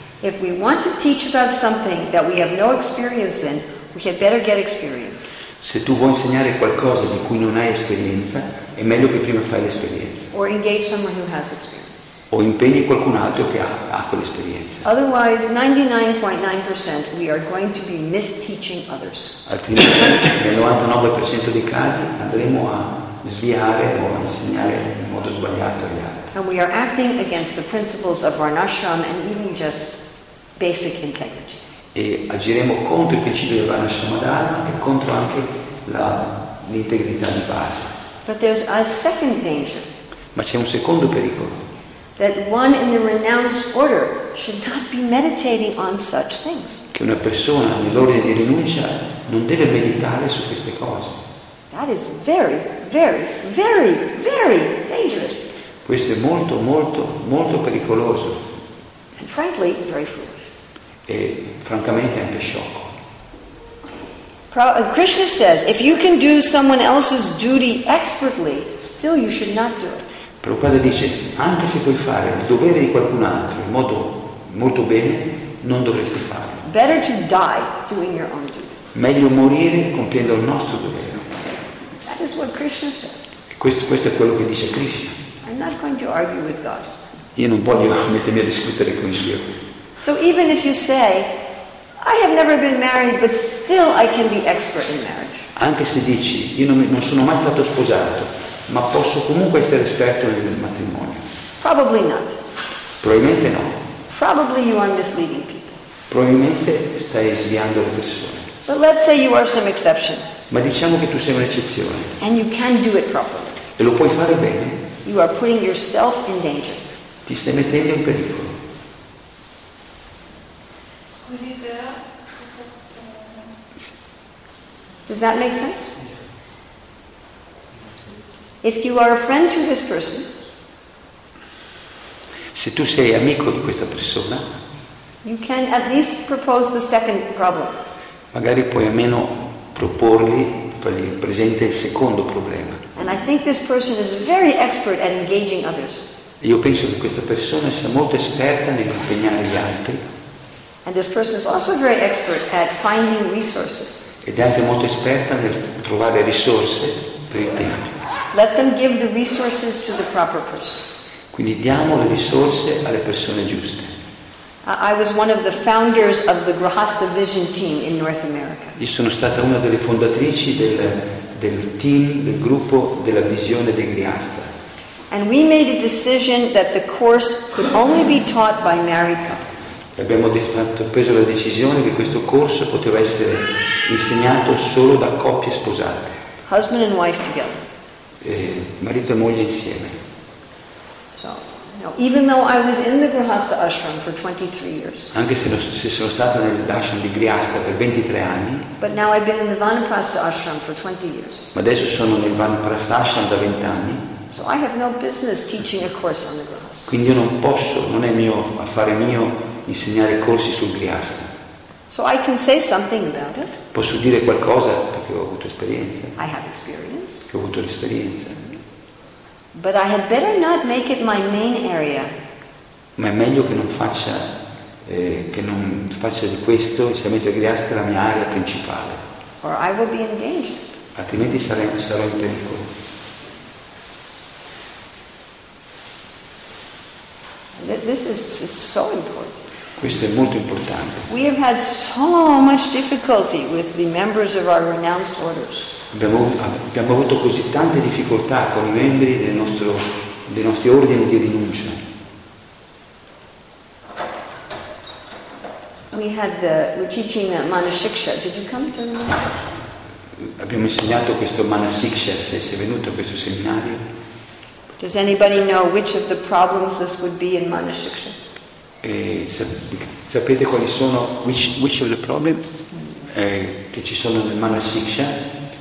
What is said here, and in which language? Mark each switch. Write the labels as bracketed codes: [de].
[en] If we want to teach about something that we have no experience in, we had better get experience. [it] Se tu vuoi insegnare qualcosa di cui non hai esperienza, è meglio che prima fai l'esperienza. [en] Or engage someone who has experience. [it] O impegni qualcun altro che ha quell'esperienza. [en] Otherwise, 99.9% we are going to be misteaching others. [it] Altrimenti, nel 99% dei casi andremo a sviare o a insegnare in modo sbagliato agli altri. [en] And we are acting against the principles of Varnashram and even just basic integrity. [it] E agiremo contro il principio del Varnashramadana e contro anche l'integrità di base. [en] But there's a second danger. [it] Ma c'è un secondo pericolo. [en] That one in the renounced order should not be meditating on such things. [it] Che una persona nell'ordine di rinuncia non deve meditare su queste cose. [en] That is very, very, very, very dangerous. [it] Questo è molto, molto, molto pericoloso. [en] And frankly, very foolish. [it] E francamente anche sciocco. [en] Krishna says, if you can do someone else's duty expertly, still you should not do it. [it] Prabhupada dice, anche se puoi fare il dovere di qualcun altro in modo molto bene, non dovresti farlo. [en] Better to die doing your own duty. [it] Meglio morire compiendo il nostro dovere. [en] That is what Krishna said. [it] Questo è quello che dice Krishna. [en] I'm not going to argue with God. [it] Io non voglio mettermi a discutere con Dio. [en] So even if you say, I have never been married, but still I can be expert in marriage. [it] Anche se dici, io non sono mai stato sposato, ma posso comunque essere esperto nel matrimonio. [en] Probably not. [it] Probabilmente no. [en] Probably you are misleading people. [it] Probabilmente stai sviando le persone. [en] But let's say you are some exception. [it] Ma diciamo che tu sei un'eccezione. [en] And you can do it properly. [it] E lo puoi fare bene. [en] You are putting yourself in danger. [it] Ti stai mettendo in pericolo. [en] Does that make sense? If you are a friend to this person, [it] se tu sei amico di questa persona, [en] you can at least propose the second problem. [it] Magari puoi almeno proporgli, fargli presente il secondo problema. [en] And I think this person is very expert at engaging others. [it] Io penso che questa persona sia molto esperta nell'impegnare gli altri. [en] And this person is also very expert at finding resources. [it] Ed è anche molto esperta nel trovare risorse per il tempo. [en] Let them give the resources to the proper persons. [it] Quindi diamo le risorse alle persone giuste. [en] I was one of the founders of the Grahastha Vision team in North America. [it] Io sono stata una delle fondatrici del team, del gruppo, della visione dei Grihastha. [en] And we made a decision that the course could only be taught by married couples. [it] Abbiamo preso la decisione che questo corso poteva essere insegnato solo da coppie sposate. [en] Husband and wife together. [it] Marito e moglie insieme. [en] So, no, even though I was in the Grihastha ashram for 23 years. [it] Anche se sono stato nell'ashram di Grihastha per 23 anni. [en] But now I've been in the Vanaprastha ashram for 20 years. [it] Ma adesso sono nel Vanaprastha ashram da 20 anni. [en] So I have no business teaching a course on the Grihastha. [it] Quindi io non posso, non è mio affare mio insegnare corsi sul Grihastha. [en] So I can say something about it. [it] Posso dire qualcosa perché ho avuto esperienza. [en] I have experience. [it] Che ho avuto l'esperienza. [en] But I had better not make it my main area. [it] Ma è meglio che non faccia di questo insegnamento di Grihastha la mia area principale. [en] Or I will be in danger. [it] Altrimenti sarò in pericolo. [en] This is so important. [it] Questo è molto importante. [en] We have had so much difficulty with the members of our renounced orders. [it] Abbiamo avuto così tante difficoltà con i membri dei nostri ordini di rinuncia. [en] We had the, we're teaching the Manasiksha. Did you come to the... [it] Abbiamo insegnato questo Manasiksha, se sei venuto a questo seminario. [en] Does anybody know which of the problems this would be in Manasiksha? [it] Sapete quali sono [en] which of the problems [it] che ci sono nel Manasiksha?